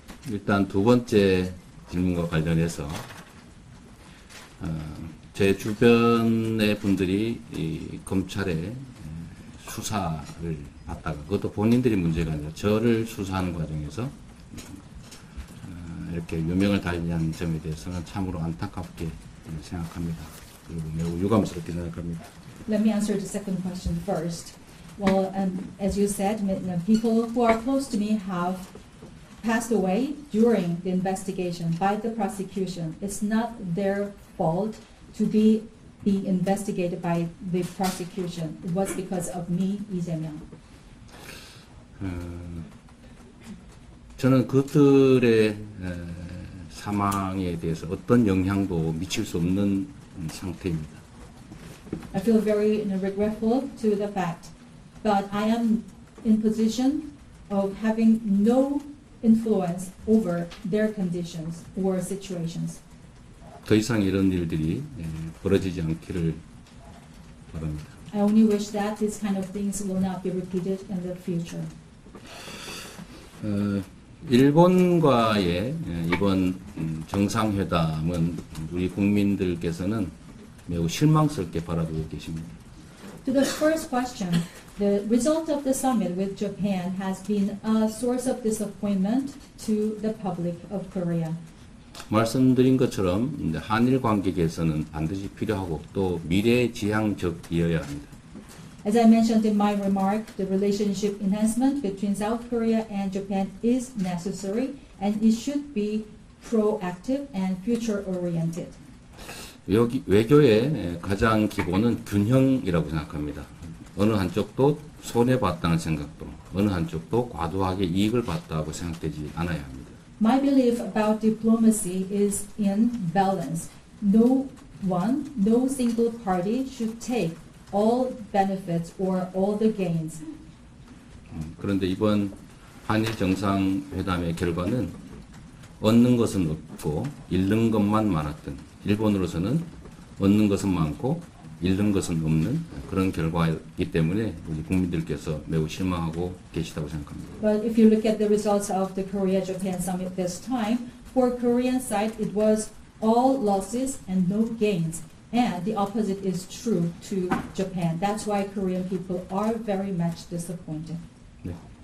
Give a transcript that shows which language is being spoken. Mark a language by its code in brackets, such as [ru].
[ko] 일단 두 번째 질문과 관련해서 제 주변의 분들이 이 검찰에 수사를 받다가 그것도 본인들이 문제가 아니라 저를 수사하는 과정에서 이렇게 유명을 달리한 점에 대해서는 참으로 안타깝게 생각합니다. 그리고 매우 유감스럽게 생각합니다. [en] Let me answer the second question first. Well, as you said, people who are close to me have passed away during the investigation by the prosecution. It's not their fault to be being investigated by the prosecution. It was because of me, Lee Jae-myung. [ko] 저는 그들의 사망에 대해서 어떤 영향도 미칠 수 없는 상태입니다. [en] I feel very regretful to the fact, but I am in position of having no influence over their conditions or situations. [ko] 더 이상 이런 일들이 벌어지지 않기를 바랍니다. [en] I only wish that these kind of things will not be repeated in the future. [ko] 일본과의 이번 정상회담은 우리 국민들께서는 매우 실망스럽게 바라보고 계십니다. [en] To the first question, the result of the summit with Japan has been a source of disappointment to the public of Korea. [ko] 말씀드린 것처럼 한일 관계 개선은 반드시 필요하고 또 미래지향적이어야 합니다. [en] As I mentioned in my remark, the relationship enhancement between South Korea and Japan is necessary and it should be proactive and future-oriented. [ko] 외교의 가장 기본은 균형이라고 생각합니다. 어느 한쪽도 손해봤다는 생각도, 어느 한쪽도 과도하게 이익을 봤다고 생각되지 않아야 합니다. [en] My belief about diplomacy is in balance. No one, no single party should take all benefits or all the gains. [ko] 그런데 이번 한일 정상회담의 결과는 얻는 것은 없고 잃는 것만 많았던 일본으로서는 얻는 것은 많고 잃는 것은 없는 그런 결과이기 때문에 우리 국민들께서 매우 실망하고 계시다고 생각합니다. [en] But if you look at the results of the Korea-Japan summit this time, for Korean side, it was all losses and no gains. And the opposite is true to Japan. That's why Korean people are very much disappointed. [ko] 네.